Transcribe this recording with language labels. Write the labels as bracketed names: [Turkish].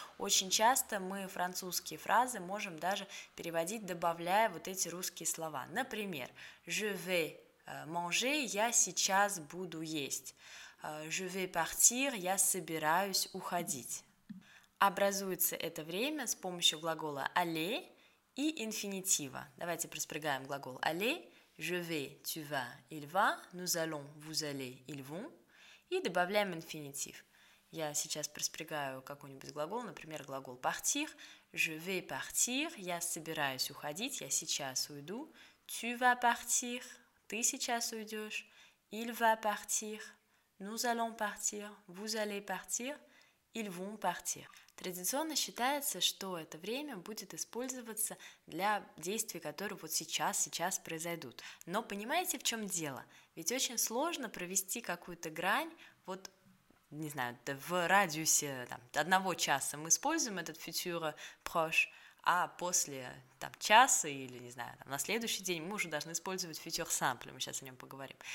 [Russian] Очень часто мы французские фразы можем даже переводить, добавляя вот эти русские слова. Например, [French] «je vais manger», [Russian] «я сейчас буду есть», [French] «je vais partir», [Russian] «я собираюсь уходить». Образуется это время с помощью глагола «aller» и инфинитива. Давайте проспрягаем глагол [French] «aller» – «je vais», «tu vas», «il va», «nous allons», «vous allez», «ils vont». [Russian] И добавляем инфинитив. Я сейчас проспрягаю какой-нибудь глагол, например, глагол «partir» – [French] «je vais partir», [Russian] «я собираюсь уходить», «я сейчас уйду», [French] «tu vas partir», [Russian] «ты сейчас уйдешь», [French] «il va partir», «nous allons partir», «vous allez partir», «ils vont partir». [Russian] Традиционно считается, что это время будет использоваться для действий, которые вот сейчас произойдут. Но понимаете, в чем дело? Ведь очень сложно провести какую-то грань, вот, не знаю, в радиусе там, одного часа мы используем этот futur proche, а после там, часа или, не знаю, там, на следующий день мы уже должны использовать futur simple, мы сейчас о нем поговорим.